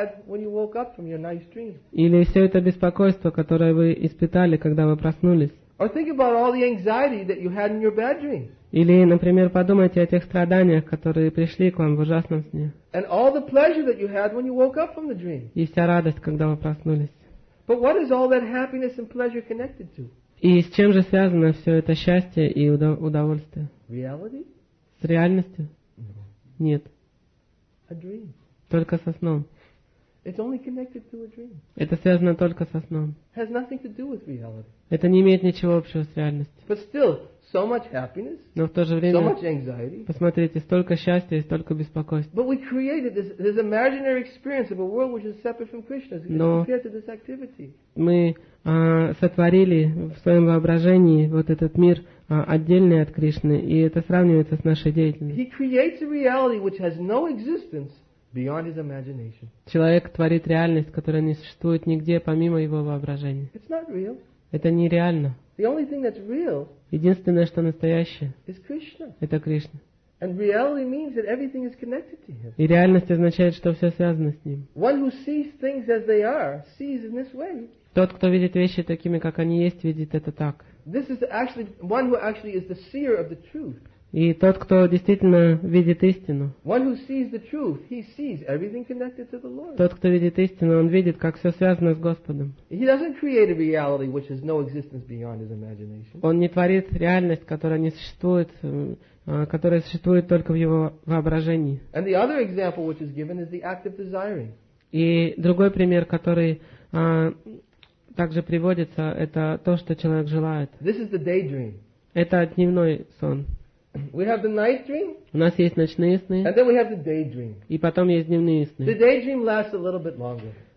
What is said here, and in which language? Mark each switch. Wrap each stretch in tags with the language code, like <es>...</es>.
<ru>Или все это беспокойство, которое вы испытали, когда вы проснулись.</ru> <en>Or think about all the anxiety that you had in your bad dream.</en> <ru>Или, например, подумайте о тех страданиях, которые пришли к вам в ужасном сне.</ru> <en>And all the pleasure that you had when you woke up from the dream.</en> <ru>И вся радость, когда вы проснулись.</ru> <en>But what is all that happiness and pleasure connected to?</en> <ru>И с чем же связано все это счастье и удовольствие?</ru> <en>Reality?</en> <ru>С реальностью?</ru> <en>No.</en> <ru>Нет.</ru> <en>A dream.</en> <ru>Только со сном.</ru> <en>It's only connected to a dream.</en> <ru>Это связано только со сном.</ru> <en>Has nothing to do with reality.</en> <ru>Это не имеет ничего общего с реальностью.</ru> <en>But still, so much happiness,</en> <ru>но в то же время,</ru> <en>so much anxiety,</en> <ru>посмотрите, столько счастья и столько беспокойства.</ru> <en>But we created this imaginary experience of a world which is separate from Krishna, compared to this activity.</en> <ru>Мы сотворили в своем воображении вот этот мир отдельный от Кришны, и это сравнивается с нашей деятельностью.</ru> <en>He creates a reality which has no existence beyond his imagination.</en> <ru>Человек творит реальность, которая не существует нигде помимо его воображения.</ru> <en>It's not real.</en> <ru>Это нереально.</ru> <en>The only thing that's real,</en> <ru>единственное, что настоящее,</ru> <en>is Krishna.</en> <ru>Это Кришна.</ru> <en>And reality means that everything is connected to him.</en> <ru>И реальность означает, что все связано с ним.</ru> <en>One who sees things as they are, sees in this way.</en> <ru>Тот, кто видит вещи такими, как они есть, видит это так.</ru> <en>This is actually one who actually is the seer of the truth.</en> <ru>И тот, кто действительно видит истину,</ru> <en>one who sees the truth, he sees everything connected to the Lord.</en> <ru>Тот, кто видит истину, он видит, как все связано с Господом.</ru> <en>He doesn't create a reality which has no existence beyond his imagination.</en> <ru>Он не творит реальность, которая не существует, которая существует только в его воображении.</ru> <en>And the other example which is given is the act of desiring.</en> <ru>И другой пример, который также приводится, это то, что человек желает.</ru> <en>This is the daydream.</en> <ru>Это дневной сон.</ru> <en>We have the night dream.</en> <ru>У нас есть ночные сны.</ru> <en>And then we have the daydream.</en> <ru>И потом есть дневные сны.</ru> <en>The daydream lasts a little bit longer.</en>